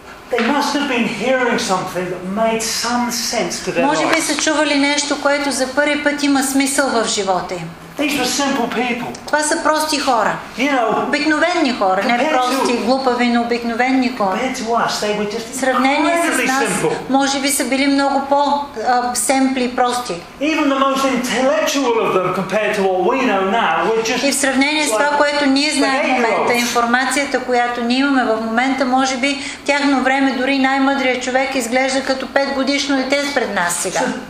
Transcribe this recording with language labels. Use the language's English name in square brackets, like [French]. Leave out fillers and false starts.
[English] They must have been hearing something that made some sense to their life. [Bulgarian] Може би са чували нещо, което за първи път има смисъл в живота им. [English] These were simple people. [Bulgarian] Това са прости хора. Обикновени хора, не прости, глупави, но обикновени хора. В сравнение с нас, може би са били много по-семпли и прости. [English] Even the most intellectual of them compared to what we know now, we're just. [Bulgarian] И в сравнение с това, което ние знаем в момента, информацията, която ние имаме в момента, може би в тяхно време дори най-мъдрият човек изглежда като 5-годишно дете пред нас сега.